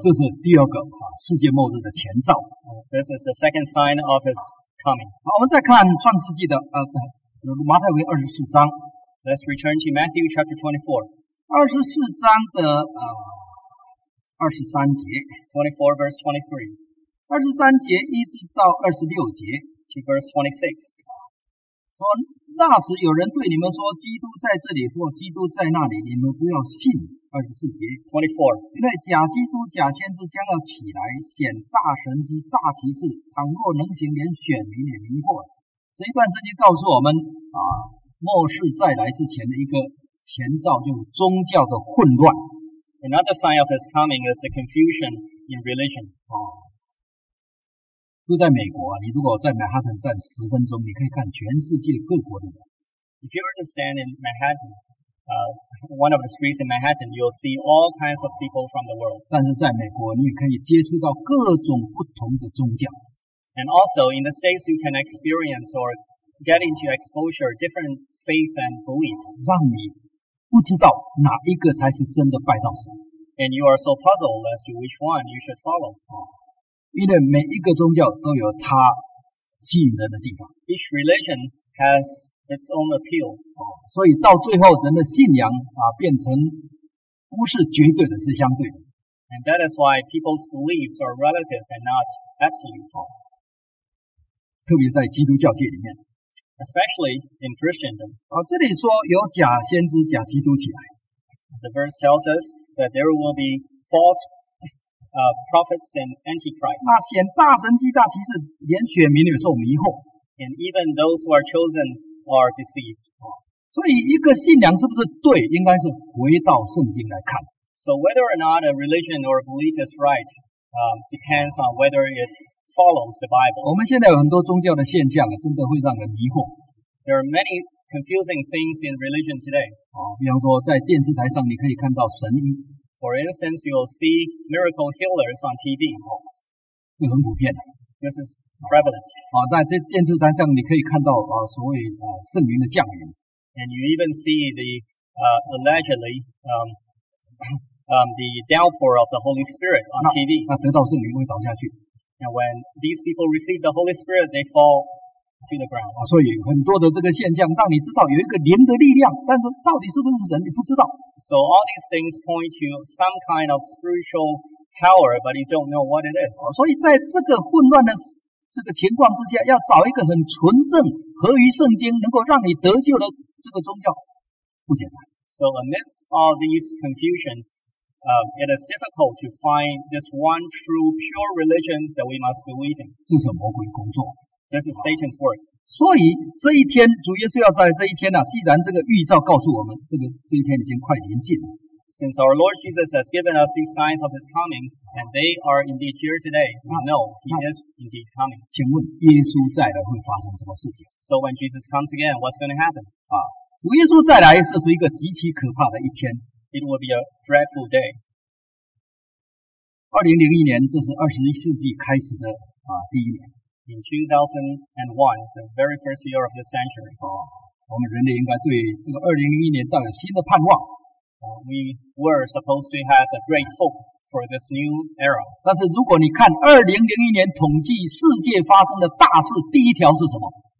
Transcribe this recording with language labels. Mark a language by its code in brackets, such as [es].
[zh] 这是第二个世界末日的前兆。 [en] This is the second sign of his coming. [zh] 好，我们再看创世纪的马太福音二十四章。 [en] Let's return to Matthew chapter 24. [zh] 二十四章的二十三节。 [en] 24 verse 23. [zh] 二十三节一直到二十六节 [en] to verse 26, [zh] 说那时有人对你们说基督在这里或基督在那里，你们不要信。二十四节 [en] 24, [zh] 因为假基督假先知将要起来显大神迹大奇事，倘若能行连选民也迷惑。这一段圣经告诉我们末世再来之前的一个前兆，就是宗教的混乱。 [en] Another sign of his coming is the confusion in religion. [zh] 就在美国你如果在曼哈顿站十分钟，你可以看全世界各国的人。 [en] If you were to stand in Manhattan, one of the streets in Manhattan, you'll see all kinds of people from the world. [zh] 但是在美国，你也可以接触到各种不同的宗教。 [en] And also in the States, you can experience or get into exposure different faith and beliefs. [zh] 让你不知道哪一个才是真的拜道神。 [en] And you are so puzzled as to which one you should follow. [zh] 因为每一个宗教都有它吸引人的地方。 [en] Each religion has its own appeal. [zh] 所以到最后人的信仰变成不是绝对的，是相对的。 [en] And that is why people's beliefs are relative and not absolute. [zh] 特别在基督教界里面。 [en] Especially in Christendom. [zh] 这里说有假先知假基督起来。 [en] The verse tells us that there will be false prophets and antichrist. [zh] 那显大神迹大奇事，连选民也受迷惑。 [en] And even those who are chosen are deceived. [zh] 所以一个信仰是不是对，应该是回到圣经来看。 [en] So whether or not a religion or a belief is right, depends on whether it follows the Bible. [zh] 我们现在有很多宗教的现象真的会让人迷惑。 [en] There are many confusing things in religion today. [zh] 比方说在电视台上你可以看到神医。 [en] For instance, you'll see miracle healers on TV. [zh] 这很普遍的。 [en] This is prevalent. [zh] 在这电视台上你可以看到所谓圣灵的降临。 [en] And you even see the, allegedly, the downpour of the Holy Spirit on TV. [zh] 那得到圣灵会倒下去。 [en] And when these people receive the Holy Spirit, they fall to the ground. [zh] 所以很多的这个现象让你知道有一个灵的力量，但是到底是不是神你不知道。 [en] So all these things point to some kind of spiritual power, but you don't know what it is. [zh] 所以在这个混乱的这个情况之下，要找一个很纯正、合于圣经、能够让你得救的这个宗教，不简单。 [en] So amidst all these confusion, it is difficult to find this one true, pure religion that we must believe in. [zh] 这是魔鬼工作。 [en] This is Satan's work. [zh] 所以这一天主耶稣要在这一天既然这个预兆告诉我们这个这一天已经快临近了。 [en] Since our Lord Jesus has given us these signs of his coming, and they are indeed here today, we know he is indeed coming. [zh] 请问耶稣再来会发生什么事情? [en] So when Jesus comes again, what's going to happen? [zh] 主耶稣再来,这是一个极其可怕的一天。 [en] It will be a dreadful day. [zh] 2001年,这是21世纪开始的第一年。 [en] In 2001, the very first year of this century. [zh] 我们人类应该对这个2001年带有新的盼望。 [en] We were supposed to have a great hope for this new era. [zh] 但是如果你看2001年统计世界发生的大事第一条是什么?